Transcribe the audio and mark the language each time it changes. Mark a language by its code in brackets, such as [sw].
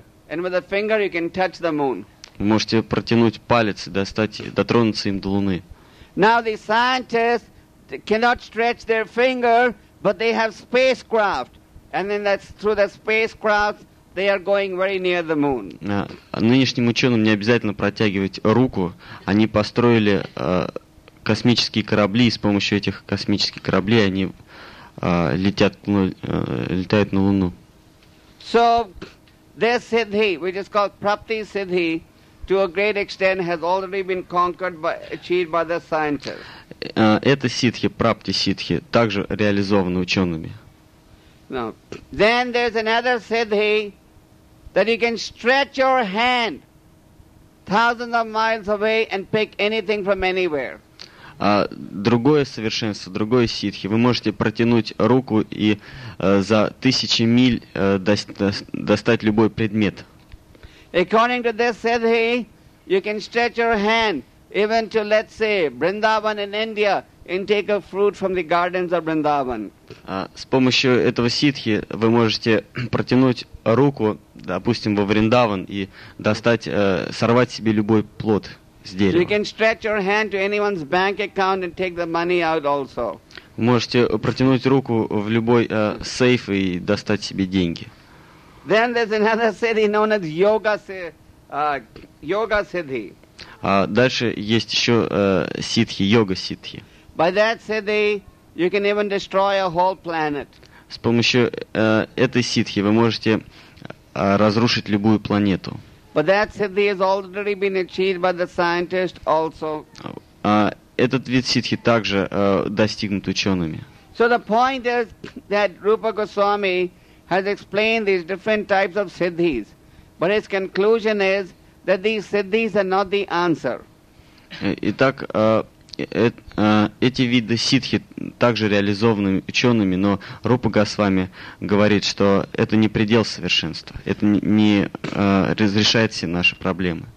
[ru] Вы можете протянуть палец и дотронуться им до луны. [en] Now the scientists cannot stretch their finger, but they have spacecraft, and then that's through the spacecraft they are going very near the moon. [ru] Нынешним ученым не обязательно протягивать руку. Они построили космические корабли, и с помощью этих космических кораблей они летают на Луну. [en] So this siddhi, which is called prapti siddhi, to a great extent has already been conquered by achieved by the scientists. [ru] Это ситхи, прапти ситхи, также реализованы учеными. [en] Now, then there's another siddhi that you can stretch your hand thousands of miles away and pick anything from anywhere. [ru] Другое совершенство, другое ситхи. Вы можете протянуть руку и за тысячи миль достать любой предмет. [en] According to this siddhi, you can stretch your hand even to, let's say, Vrindavan in India and take a fruit from the gardens of Vrindavan. [ru] С помощью этого ситхи вы можете протянуть руку, допустим, во Вриндаван и достать, сорвать себе любой плод. [en] You can stretch your hand to anyone's bank account and take the money out also. [ru] Можете протянуть руку в любой сейф и достать себе деньги. [en] Then there's another city known as Yoga Yoga City. [ru] Дальше есть еще ситхи, йога ситхи. [en] By that city, you can even destroy a whole planet. [ru] С помощью этой ситхи вы можете разрушить любую планету. [en] But that siddhi has already been achieved by the scientist also. [ru] Этот вид ситхи также достигнут учеными. [en] So the point is that Rupa Goswami has explained these different types of siddhis, but his conclusion is that these siddhis are not the answer. [ru] Итак, эти виды ситхи также реализованы учеными, но Рупа Госвами говорит, что это не предел совершенства, это не разрешает все наши проблемы.